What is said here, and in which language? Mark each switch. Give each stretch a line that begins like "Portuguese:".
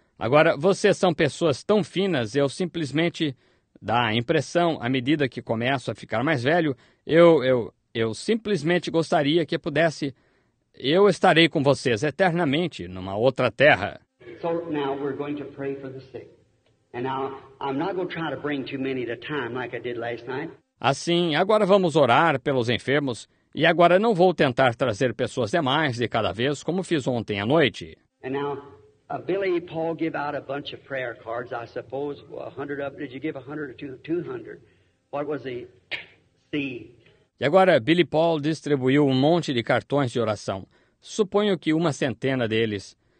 Portuguese: Agora, vocês são pessoas tão finas, eu simplesmente dá a impressão, à medida que começo a ficar mais velho, eu simplesmente gostaria que pudesse. Eu estarei com vocês eternamente numa outra terra.
English: So now we're going to pray for the sick. And now I'm not going to try to bring too many at a time like I did last night.
Portuguese: Assim, agora vamos orar pelos enfermos, e agora não vou tentar trazer pessoas demais de cada vez como fiz ontem à noite.
English: And now, Billy Paul gave out a bunch of prayer cards, I suppose, 100 of them. Did you give 100 or 200? What was the C?
Portuguese: E agora, Billy Paul distribuiu um monte de cartões de oração. Suponho que uma centena deles.